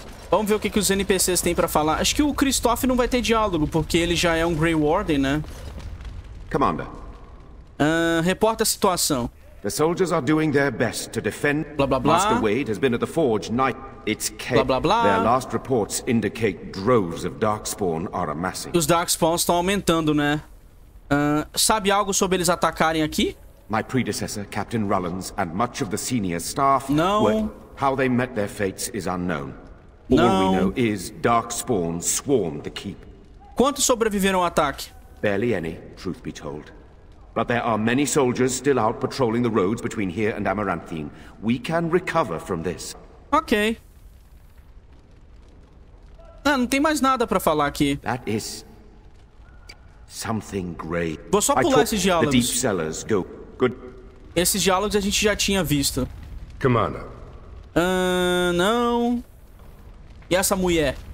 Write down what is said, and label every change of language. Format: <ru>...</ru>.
<pt>Vamos ver o que, que os NPCs têm pra falar. Acho que o Christoph não vai ter diálogo, porque ele já é um Grey Warden, né?</pt> <en>Commander.</en> <pt>Reporta a situação.</pt> <en>The soldiers are doing their best to defend... Blá, blá, blá. Master Wade has been at the forge night... It's Kate. Blá, blá, blá. Their last reports indicate droves of Darkspawn are amassing.</en> <pt>E os Darkspawn estão aumentando, né? Sabe algo sobre eles atacarem aqui?</pt> <en>My predecessor, Captain Rollins, and much of the senior staff...</en> <pt>Não.</pt> <en>Were... How they met their fates is unknown.</en> <pt>Não.</pt> <en>All we know is Darkspawn swarmed the keep.</en> <pt>Quantos sobreviveram ao ataque?</pt> <en>Barely any, truth be told. But there are many soldiers still out patrolling the roads between here and Amaranthine. We can recover from this. Ok.</en> <pt>Ah, não tem mais nada pra falar aqui.</pt> <en>That is... Something great.</en> <pt>Vou só pular esses diálogos.</pt> <en>The deep cellars go. Good.</en> <pt>Esses diálogos a gente já tinha visto.</pt> <en>Commander.</en> <pt>Não. E essa mulher?</pt>